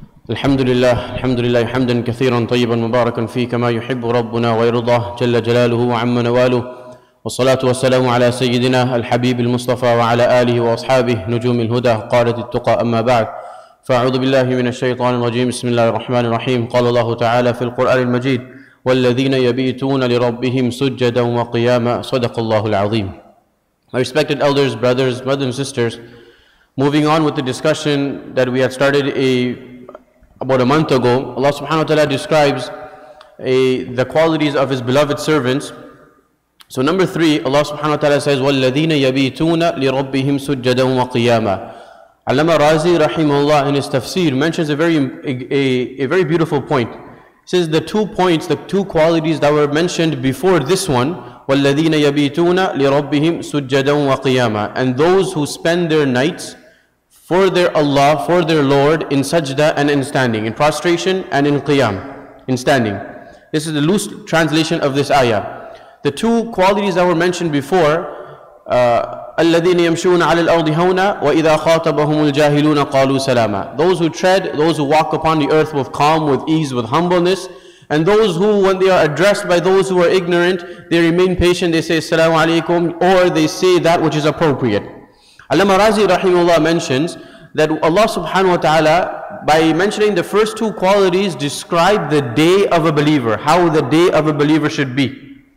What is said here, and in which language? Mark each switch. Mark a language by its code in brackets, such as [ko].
[ar] الحمد لله، الحمد لله حمدا كثيرا طيبا مباركا فيه كما يحب ربنا ويرضاه جل جلاله وعم نواله، والصلاة والسلام على سيدنا الحبيب المصطفى وعلى آله وأصحابه نجوم الهدى قادة التقى. أما بعد، فأعوذ بالله من الشيطان الرجيم، بسم الله الرحمن الرحيم. قال الله تعالى في القرآن المجيد: والذين يبيتون لربهم سجدا وقياما. صدق الله العظيم. [en] My respected elders, brothers, mothers, and sisters, moving on with the discussion that we had started about a month ago, Allah subhanahu wa ta'ala describes the qualities of His beloved servants. So number three, Allah subhanahu wa ta'ala says, [ar] وَالَّذِينَ يَبِيتُونَ لِرَبِّهِمْ سُجَّدًا وَقِيَامًا. [en] Allama Razi rahimahullah in his tafsir mentions a very beautiful point. He says the two points, the two qualities that were mentioned before this one, [ar] وَالَّذِينَ يَبِيتُونَ لِرَبِّهِمْ سُجَّدًا وَقِيَامًا, [en] and those who spend their nights for their Allah, for their Lord, in sajda and in standing, in prostration and in qiyam, in standing. This is the loose translation of this ayah. The two qualities that were mentioned before, [ar] الَّذِينَ يَمْشُونَ عَلَى الْأَرْضِ هَوْنًا وَإِذَا خَاطَبَهُمُ الْجَاهِلُونَ قَالُوا سَلَامًا. [en] Those who tread, those who walk upon the earth with calm, with ease, with humbleness, and those who, when they are addressed by those who are ignorant, they remain patient, they say assalamu alaikum, or they say that which is appropriate. Allama Razi rahimahullah mentions that Allah subhanahu wa ta'ala, by mentioning the first two qualities, describe the day of a believer, how the day of a believer should be.